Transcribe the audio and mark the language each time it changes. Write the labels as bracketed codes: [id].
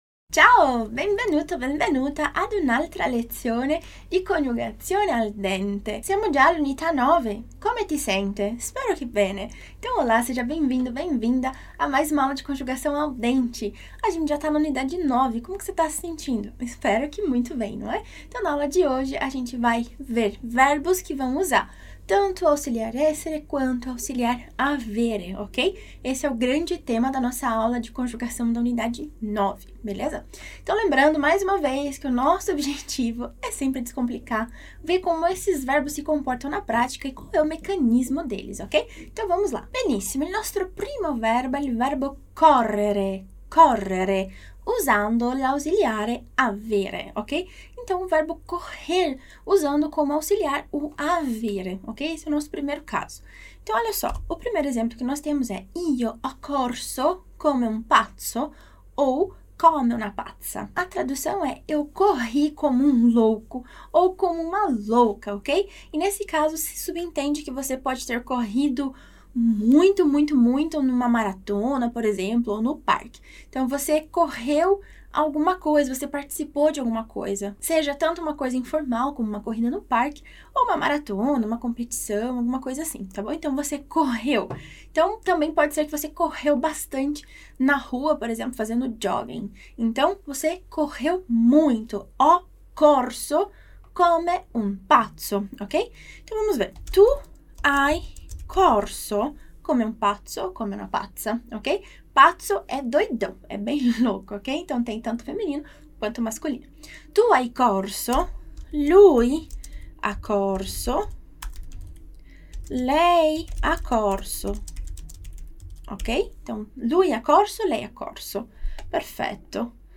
[it] Ciao, benvenuto, benvenuta ad un'altra lezione di coniugazione al dente. Siamo già all'unità 9. Come ti senti? Spero che bene. [pt] Então, olá, seja bem-vindo, bem-vinda a mais uma aula de conjugação ao dente. A gente já está na unidade 9. Como que você está se sentindo? Espero que muito bem, não é? Então, na aula de hoje, a gente vai ver verbos que vão usar tanto auxiliar essere quanto auxiliar avere, ok? Esse é o grande tema da nossa aula de conjugação da unidade 9, beleza? Então, lembrando mais uma vez que o nosso objetivo é sempre descomplicar, ver como esses verbos se comportam na prática e qual é o mecanismo deles, ok? Então, vamos lá. [it] Benissimo, il nostro primo verbo è il verbo correre, correre, usando l'ausiliare avere, ok? [pt] Então, o verbo correr, usando como auxiliar o avere, ok? Esse é o nosso primeiro caso. Então, olha só, o primeiro exemplo que nós temos é [it] io ho corso come un pazzo [pt] ou [it] come una pazza. [pt] A tradução é eu corri como um louco ou como uma louca, ok? E nesse caso, se subentende que você pode ter corrido muito, muito, muito numa maratona, por exemplo, ou no parque. Então, você correu alguma coisa, você participou de alguma coisa, seja tanto uma coisa informal como uma corrida no parque, ou uma maratona, uma competição, alguma coisa assim, tá bom? Então você correu. Então também pode ser que você correu bastante na rua, por exemplo, fazendo jogging. Então você correu muito. [it] Ho corso come un pazzo, ok? [pt] Então vamos ver. [it] Tu hai corso come un pazzo, come una pazza, ok? [pt] Pazzo é doidão, é bem louco, ok? Então tem tanto feminino quanto masculino. [it] Tu hai corso, lui ha corso, lei ha corso, ok? Então lui ha corso, lei ha corso, perfetto.